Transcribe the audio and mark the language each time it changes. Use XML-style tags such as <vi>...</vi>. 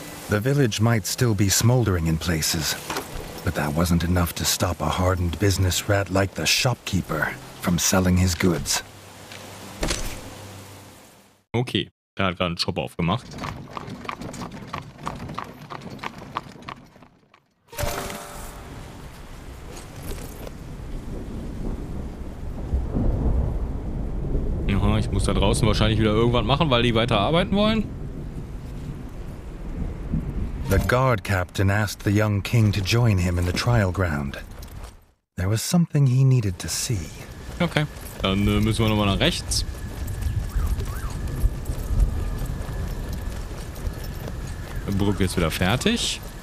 <en>The village might still be smoldering in places, but that wasn't enough to stop a hardened business rat like the shopkeeper from selling his goods.</en> <de>Okay, der hat gerade einen Shop aufgemacht. Aha, ich muss da draußen wahrscheinlich wieder irgendwas machen, weil die weiter arbeiten wollen.</de> <en>The guard captain asked the young king to join him in the trial ground. There was something he needed to see.</en> <de>Okay, dann müssen wir nochmal nach rechts. Die Brücke ist wieder fertig.</de>